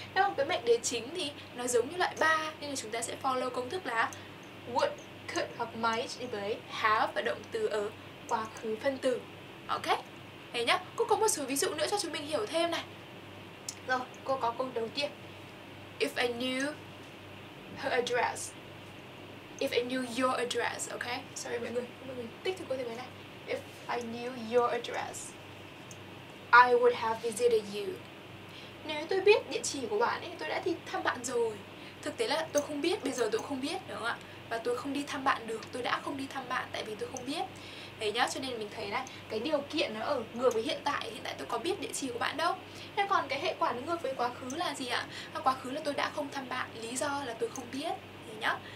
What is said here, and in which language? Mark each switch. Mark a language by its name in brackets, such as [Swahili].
[Vietnamese] Thế còn cái mệnh đề chính thì nó giống như loại 3 nên là chúng ta sẽ follow công thức là would, could hoặc might đi với have và động từ ở quá khứ phân từ. Ok. Thế nhá, cô có một số ví dụ nữa cho chúng mình hiểu thêm này. Rồi, cô có câu đầu tiên. [English] If I knew her address. If I knew your address, okay? [Vietnamese] Sorry mọi người, tích thì cô thì mới này. [English] If I knew your address, I would have visited you. [Vietnamese] Nếu tôi biết địa chỉ của bạn ấy, tôi đã đi thăm bạn rồi. Thực tế là tôi không biết, bây giờ tôi không biết, đúng không ạ? Và tôi không đi thăm bạn được, tôi đã không đi thăm bạn tại vì tôi không biết. Đấy nhá, cho nên mình thấy này, cái điều kiện nó ở ngược với hiện tại tôi có biết địa chỉ của bạn đâu. Thế còn cái hệ quả nó ngược với quá khứ là gì ạ? Quá khứ là tôi đã không thăm bạn, lý do là tôi không biết. Đấy nhá.